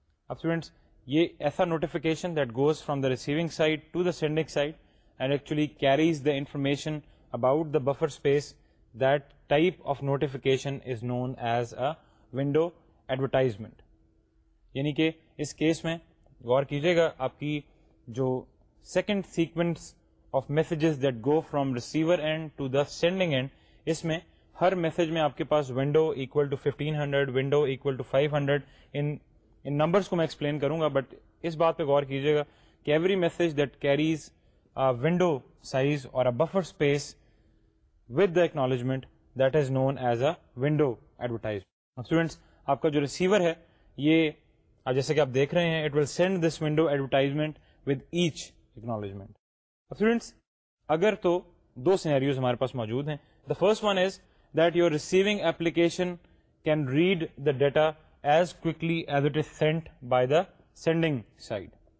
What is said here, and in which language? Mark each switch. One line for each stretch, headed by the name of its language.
English: Ab students, ye aisa notification that goes from the receiving side to the sending side and actually carries the information about the buffer space, that type of notification is known as a window advertisement.
Urdu: Yani ke is case mein gaur kijiyega aapki jo
English: second sequence of messages that go from receiver end to the sending end,
Urdu: اس میں ہر message میں آپ کے پاس
English: window equal to 1500 window equal to 500
Urdu: in numbers کو میں explain کروں گا but اس بات پہ غور کیجئے گا کہ
English: Every message that carries window size اور a buffer space with the acknowledgement that is known as a window advertise.
Urdu: Students آپ کا جو ریسیور ہے یہ اب جیسے کہ آپ دیکھ رہے ہیں it will send this window advertisement with each acknowledgement. Students اگر تو دو سینیریوز ہمارے پاس موجود ہیں.
English: The first one is that your receiving application can read the data as quickly as it is sent by the sending side.